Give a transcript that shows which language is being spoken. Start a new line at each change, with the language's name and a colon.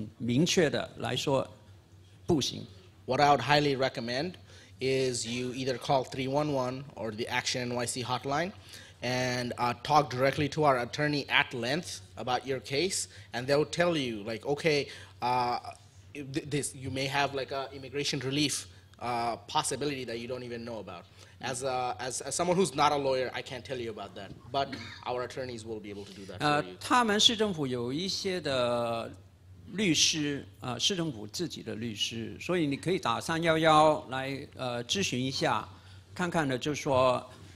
Chinese: 现在是没有什么问题，但是以后如果你要申请延期，或是你回去了再度入境的时候，那可能会构成一个因素。但是因为还没有通过，也不能够很明确的来说不行。
English: What I would highly recommend is you either call 311 or the Action NYC hotline and talk directly to our attorney at length about your case, and they'll tell you, like, okay, this you may have like a immigration relief possibility that you don't even know about. As someone who's not a lawyer, I can't tell you about that, but our attorneys will be able to do that for you.
Chinese: 他们市政府有一些的律师，市政府自己的律师，所以你可以打311来咨询一下，看看呢，就是说。